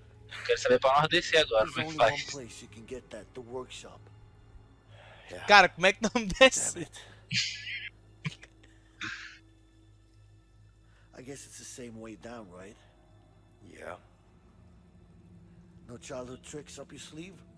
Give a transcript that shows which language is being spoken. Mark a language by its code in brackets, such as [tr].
[pt] Eu quero saber pra nós descer agora, como é que faz. [en] There's only one place you can get that, the workshop. [pt] Cara, como é que não desce? [en] I guess it's the same way down, right? Yeah. No childhood tricks up your sleeve?